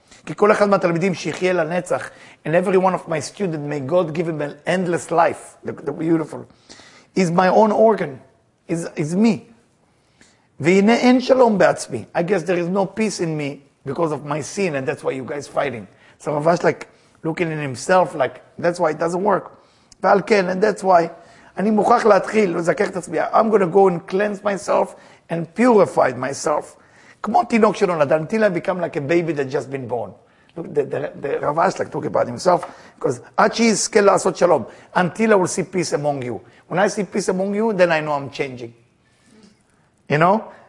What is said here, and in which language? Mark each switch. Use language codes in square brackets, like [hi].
[he] כי כל אחד מהתלמידים שיחיה לנצח, [en] and every one of my students, may God give him an endless life, the beautiful, is my own organ, is me. [he] והנה אין שלום בעצמי. [en] I guess there is no peace in me because of my sin, and that's why you guys fighting. Some of us like looking in himself like, that's why it doesn't work. [he] ועל כן, [en] and that's why, [he] אני מוכרח להתחיל לזכך את עצמי. [en] I'm going to go and cleanse myself and purify myself. [he] כמו תינוק שלא נדע, [en] until I become like a baby that just been born. Look, the Rav Ashlag talk about himself, because [he] עד שיזכה לעשות שלום, [en] until I will see peace among you. When I see peace among you, then I know I'm changing. You know?